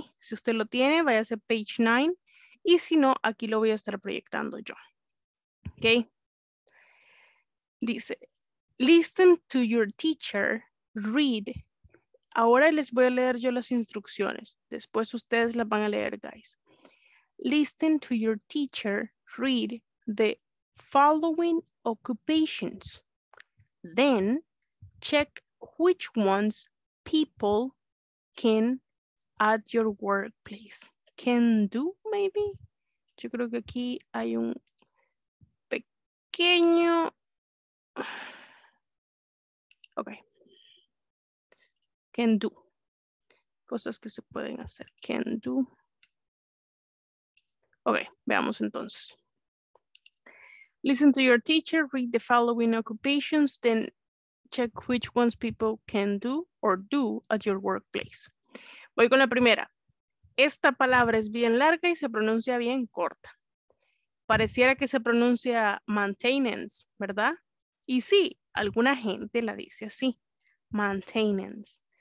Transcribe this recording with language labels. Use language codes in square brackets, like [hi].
[es] Si usted lo tiene, vaya a ser page 9. Y si no, aquí lo voy a estar proyectando yo, ¿ok? [en] Dice, listen to your teacher, read. [es] Ahora les voy a leer yo las instrucciones. Después ustedes las van a leer, guys. [en] Listen to your teacher, read the following occupations. Then, check which ones people can at your workplace. Can do, maybe? [es] Yo creo que aquí hay un pequeño... Ok. Can do. Cosas que se pueden hacer. Can do. Ok, veamos entonces. [en] Listen to your teacher, read the following occupations, then check which ones people can do or do at your workplace. [es] Voy con la primera. Esta palabra es bien larga y se pronuncia bien corta. Pareciera que se pronuncia maintenance, ¿verdad? Y sí, alguna gente la dice así, maintenance.